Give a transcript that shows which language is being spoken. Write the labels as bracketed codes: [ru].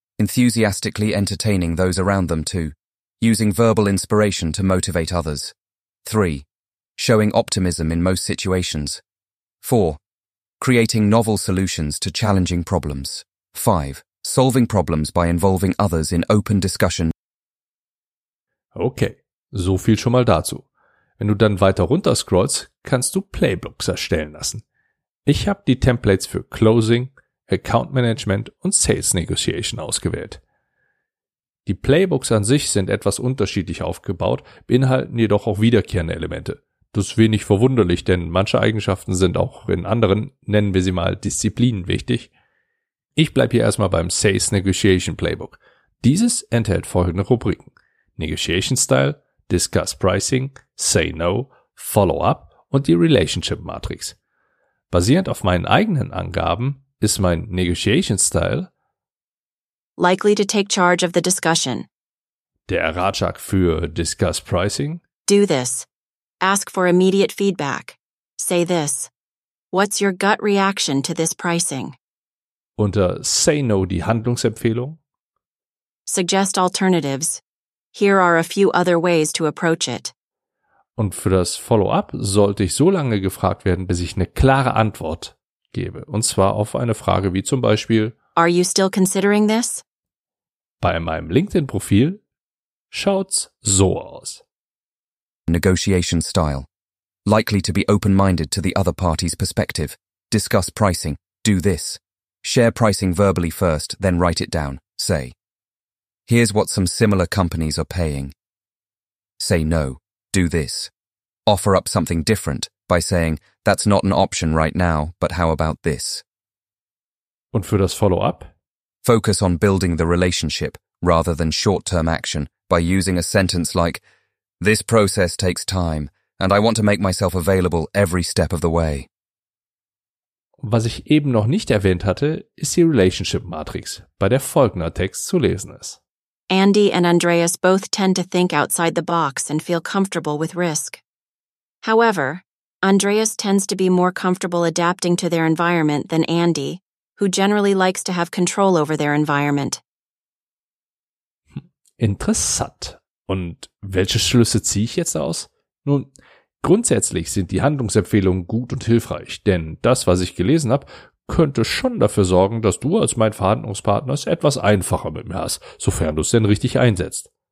[en] Enthusiastically entertaining those around them too, using verbal inspiration to motivate others. 3. Showing optimism in most situations. 4. Creating novel solutions to challenging problems. 5. Solving problems by involving others in open discussion. [de] Okay, so viel schon mal dazu. Wenn du dann weiter runter scrollst, kannst du Playbooks erstellen lassen. Ich habe die Templates für Closing, Account Management und Sales Negotiation ausgewählt. Die Playbooks an sich sind etwas unterschiedlich aufgebaut, beinhalten jedoch auch wiederkehrende Elemente. Das ist wenig verwunderlich, denn manche Eigenschaften sind auch in anderen, nennen wir sie mal Disziplinen, wichtig. Ich bleibe hier erstmal beim Sales Negotiation Playbook. Dieses enthält folgende Rubriken: Negotiation Style, Discuss Pricing, Say No, Follow-up und die Relationship Matrix. Basierend auf meinen eigenen Angaben ist mein Negotiation Style [en] likely to take charge of the discussion. [de] Der Ratschlag für Discuss Pricing: [en] Do this. Ask for immediate feedback. Say this. What's your gut reaction to this pricing? [de] Unter Say No die Handlungsempfehlung: [en] Suggest alternatives. Here are a few other ways to approach it. [de] Und für das Follow-up sollte ich so lange gefragt werden, bis ich eine klare Antwort gebe. Und zwar auf eine Frage wie zum Beispiel: [en] Are you still considering this? [de] Bei meinem LinkedIn-Profil schaut's so aus. [en] Negotiation style. Likely to be open-minded to the other party's perspective. Discuss pricing. Do this. Share pricing verbally first, then write it down. Say: Here's what some similar companies are paying. Say no. Do this. Offer up something different by saying, that's not an option right now, but how about this? [de] Und für das Follow-up? [en] Focus on building the relationship rather than short-term action by using a sentence like, this process takes time and I want to make myself available every step of the way. [de] Was ich eben noch nicht erwähnt hatte, ist die Relationship Matrix, bei der folgender Text zu lesen ist. [en] Andy and Andreas both tend to think outside the box and feel comfortable with risk. However, Andreas tends to be more comfortable adapting to their environment than Andy, who generally likes to have control over their environment. [de] Interessant. Und welche Schlüsse ziehe ich jetzt aus? Nun, grundsätzlich sind die Handlungsempfehlungen gut und hilfreich, denn das, was ich gelesen habe, könnte schon dafür sorgen, dass du als mein Verhandlungspartner es etwas einfacher mit mir hast, sofern du es denn richtig einsetzt.